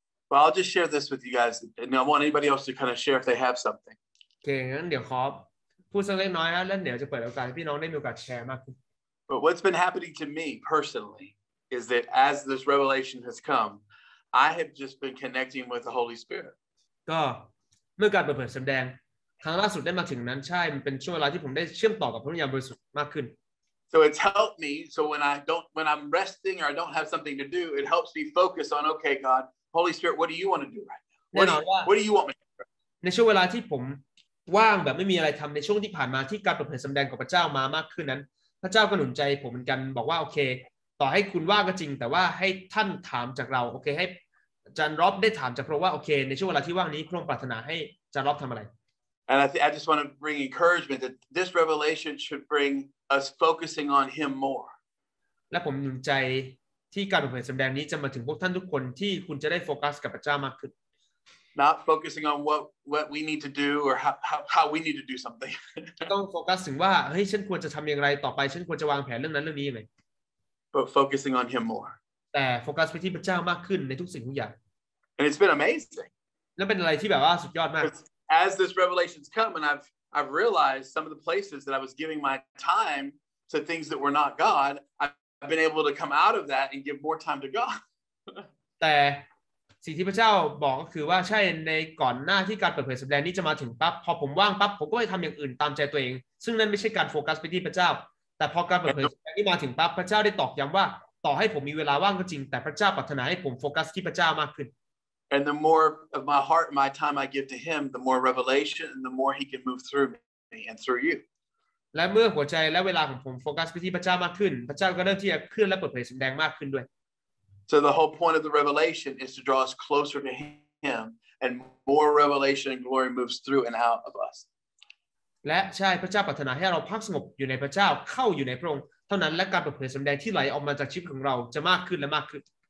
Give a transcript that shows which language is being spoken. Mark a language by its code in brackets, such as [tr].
[en] Well, I'll just share this with you guys, and I want anybody else to kind of share if they have something. [th] Okay, งั้นเดี๋ยวครับพูดสักเล็กน้อยแล้วเดี๋ยวจะเปิดโอกาสให้พี่น้องได้มีโอกาสแชร์มากขึ้น [en] But what's been happening to me personally is that as this revelation has come, I have just been connecting with the Holy Spirit. [th] ก็เมื่อการเปิดสำแดงครั้งล่าสุดได้มาถึงนั้นใช่มันเป็นช่วงเวลาที่ผมได้เชื่อมต่อกับพระวิญญาณบริสุทธิ์มากขึ้น [en] So it's helped me. So when I'm resting or I don't have something to do, it helps me focus on, okay, God, Holy Spirit, what do you want to do right now? What do you want me to do? [th] ในช่วงเวลาที่ผมว่างแบบไม่มีอะไรทำในช่วงที่ผ่านมาที่การเปิดเผยสำแดงของพระเจ้ามามากขึ้นนั้นพระเจ้าก็หนุนใจผมเหมือนกันบอกว่าโอเคต่อให้คุณว่าก็จริงแต่ว่าให้ท่านถามจากเราโอเคให้ จันรอบได้ถามจากพระว่าโอเคในช่วงเวลาที่ว่างนี้พระองค์ปรารถนาให้จันรอบทำอะไร [en] And I just want to bring encouragement that this revelation should bring us focusing on him more [th] และผมหนุนใจที่การเผยสำแดงนี้จะมาถึงพวกท่านทุกคนที่คุณจะได้โฟกัสกับพระเจ้ามากขึ้น [en] Not focusing on what we need to do or how we need to do something [th] ต้องโฟกัสถึงว่าเฮ้ยฉันควรจะทำอย่างไรต่อไปฉันควรจะวางแผนเรื่องนั้นเรื่องนี้ยังไง [en] But focusing on him more [th] แต่โฟกัสไปที่พระเจ้ามากขึ้นในทุกสิ่งทุกอย่าง [en] And it's been amazing [th] แล้วเป็นอะไรที่แบบว่าสุดยอดมาก [en] As this revelation's come and I've realized some of the places that I was giving my time to things that were not God I've been able to come out of that and give more time to God [th] แต่สิ่งที่พระเจ้าบอกก็คือว่าใช่ในก่อนหน้าที่การเปิดเผยสัปดาห์นี้จะมาถึงปั๊บพอผมว่างปั๊บผมก็ไปทำอย่างอื่นตามใจตัวเองซึ่งนั่นไม่ใช่การโฟกัสไปที่พระเจ้าแต่พอการเปิดเผยสัปดาห์นี้มาถึงปั๊บพระเจ้าได้ตอกย้ำว่าต่อให้ผมมีเวลาว่างก็จริงแต่พระเจ้าปรารถนาให้ผมโฟกัสที่พระเจ้ามากขึ้น [en] And the more of my heart and my time I give to him the more revelation and the more he can move through me and through you [th] และเมื่อหัวใจและเวลาของผมโฟกัสไปที่พระเจ้ามากขึ้นพระเจ้าก็เริ่มที่จะเคลื่อนและเปิดเผยแสดงมากขึ้นด้วย [en] So the whole point of the revelation is to draw us closer to him and more revelation and glory moves through and out of us [th] และใช่พระเจ้าปรารถนาให้เราพักสงบอยู่ในพระเจ้าเข้าอยู่ในพระองค์เท่านั้นและการเปิดเผยสำแดงที่ไหลออกมาจากชีวิตของเราจะมากขึ้นและมากขึ้น